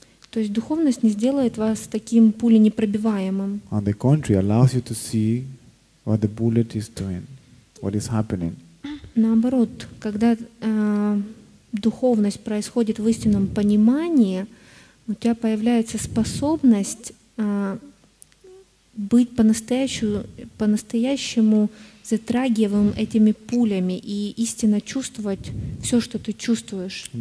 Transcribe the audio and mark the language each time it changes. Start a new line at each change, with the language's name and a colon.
Russian: То есть духовность не сделает вас таким пуленепробиваемым.
English: On the contrary, allows you to see what the bullet is doing, what is happening.
Russian: Наоборот, когда духовность происходит в истинном понимании, у тебя появляется способность быть по-настоящему затрагиваем этими пулями и истинно чувствовать все, что ты чувствуешь.